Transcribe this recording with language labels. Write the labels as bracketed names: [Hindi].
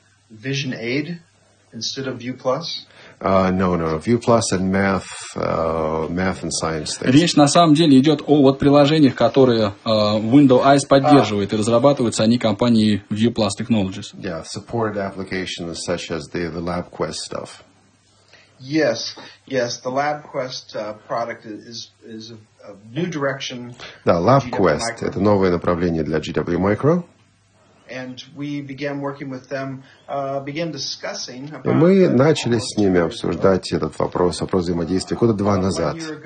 [English] Vision Aid instead of View Plus? No. View Plus and Math, Math and Science. Things. [Russian] Речь на самом деле идет о вот приложениях, которые Windows Eyes поддерживает, и разрабатываются они компанией View Plus Technologies. [English] Yeah, supported applications such as the LabQuest stuff. Yes, the LabQuest product is a new direction. [Russian] Да, LabQuest это новое направление для GW Micro. [English] And we began working with them, began discussing about. [Russian] И мы начали с ними обсуждать этот вопрос, вопрос взаимодействия, года два назад.